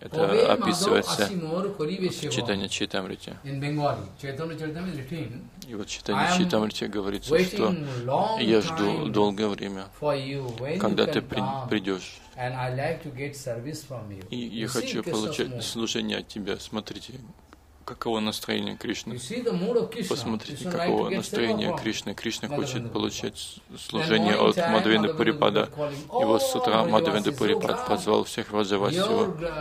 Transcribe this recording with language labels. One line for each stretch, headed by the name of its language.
Russian: Это описывается в Чайтанья Чайтамрите. И вот Чайтанья Чайтамрите говорится, что я жду долгое время, когда ты придешь.
English: And I like to get service from you.
Russian: И я хочу получать служение от тебя. Смотрите, как каково настроение Кришны. Посмотрите, каково настроение Кришны. Кришна хочет получать служение от Мадхвенды Парипада. И вот с утра Мадхвенды Парипад позвал всех Ваджавасию.